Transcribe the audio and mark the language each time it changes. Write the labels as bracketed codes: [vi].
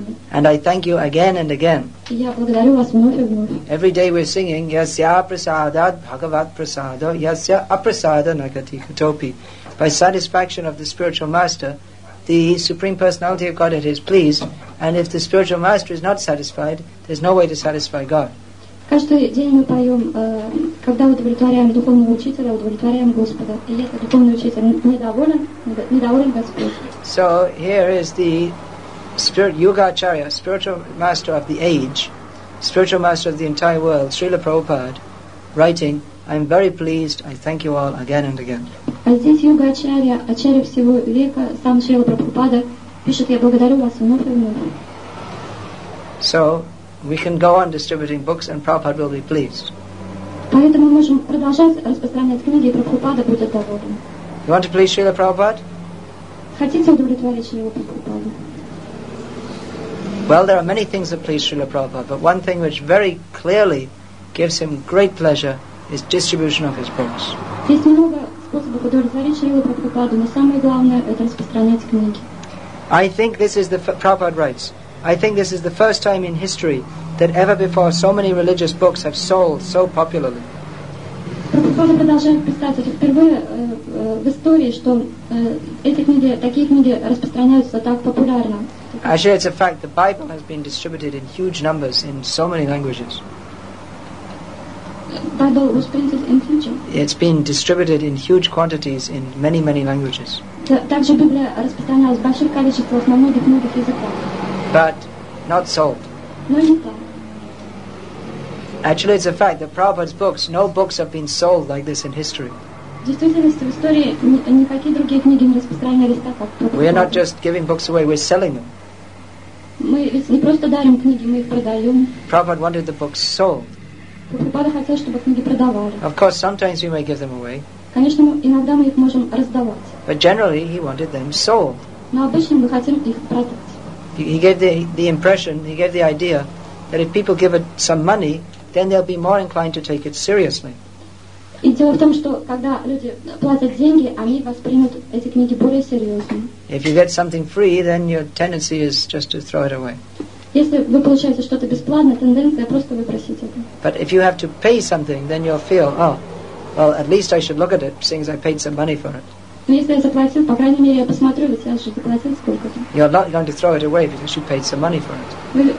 [en] And I thank you again and again. Every day we're singing, [sa] Yasya prasadad bhagavat prasado, yasya aprasada nagati katopi. [en] By satisfaction of the spiritual master, the Supreme Personality of Godhead is pleased, and if the spiritual master is not satisfied, there's no way to satisfy God. [ru] Каждый день мы поем, когда удовлетворяем духовного учителя, удовлетворяем Господа. И если духовный учитель недоволен Господь. [en] So here is the spirit Yugacharya, spiritual master of the age, spiritual master of the entire world, Srila Prabhupada, writing, I'm very pleased, I thank you all again and again. [ru] А здесь Юга Ачарья, Ачарья всего века, сам Шрила Прабхупада, пишет, я благодарю вас вновь и вновь. [en] So, we can go on distributing books and Prabhupada will be pleased. [ru] Поэтому мы можем продолжать распространять книги, и Прабхупада будет доволен. [en] You want to please Шрила Прабхупада? [ru] Хотите удовлетворить Шрила Прабхупада? [en] Well, there are many things that please Шрила Прабхупада, but one thing which very clearly gives him great pleasure is distribution of his books. [ru] Есть много способов удовлетворить Шрилу Прабхупаду, но самое главное – это распространять книги. [en] I think this is the Prabhupada writes. I think this is the first time in history that ever before so many religious books have sold so popularly. [ru] Прабхупада продолжает писать, это впервые в истории, что эти книги, такие книги распространяются так популярно. [en] Actually, it's a fact. The Bible has been distributed in huge numbers in so many languages. Bible was printed in huge. It's been distributed in huge quantities in many, many languages. [ru] Также Библия распространялась в больших количествах на многих языках. [en] But not sold. [ru] Но не так. [en] Actually, it's a fact that Prabhupada's books, no books have been sold like this in history. We are not just giving books away, we're selling them. Prabhupada wanted the books sold. Of course, sometimes we may give them away. But generally, he wanted them sold. He gave the idea that if people give it some money, then they'll be more inclined to take it seriously. [ru] И дело в том, что когда люди платят деньги, они воспримут эти книги более серьезно. [en] If you get something free, then your tendency is just to throw it away. [ru] Если вы получаете что-то бесплатно, тенденция просто выбросить это. [en] But if you have to pay something, then you'll feel, oh, well, at least I should look at it, seeing as I paid some money for it. [ru] Но если я заплатил, по крайней мере, я посмотрю, ведь я же заплатил сколько-то. [en] You're not going to throw it away because you paid some money for it.